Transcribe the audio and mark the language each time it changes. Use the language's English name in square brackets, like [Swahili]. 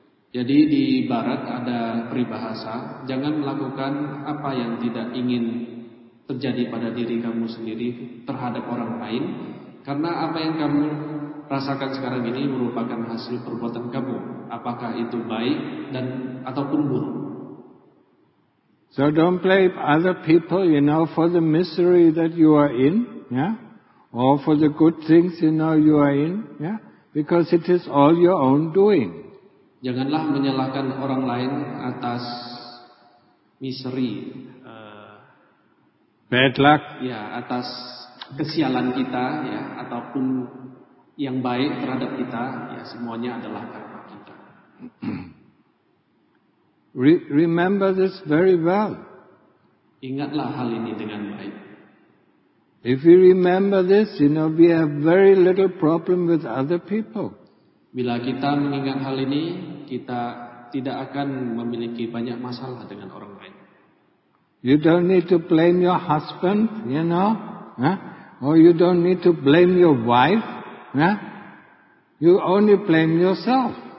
[Indonesian] Jadi di Barat ada peribahasa, jangan melakukan apa yang tidak ingin terjadi pada diri kamu sendiri terhadap orang lain, karena apa yang kamu rasakan sekarang ini merupakan hasil perbuatan kamu, apakah itu baik dan ataupun buruk. [English] So don't blame other people, you know, for the misery that you are in, yeah, or for the good things, you know, you are in, yeah, because it is all your own doing. [Indonesian] Janganlah menyalahkan orang lain atas misery, [English] bad luck, [Indonesian] ya, atas kesialan kita, ya, ataupun yang baik terhadap kita, ya, semuanya adalah karma kita. [English] Remember this very well. [Indonesian] Ingatlah hal ini dengan baik. [English] If we remember this, you know, we have very little problem with other people. [Indonesian] Bila kita mengingat hal ini, kita tidak akan memiliki banyak masalah dengan orang lain. [English] You don't need to blame your husband, you know, huh? Or you don't need to blame your wife. Nah, you only blame yourself.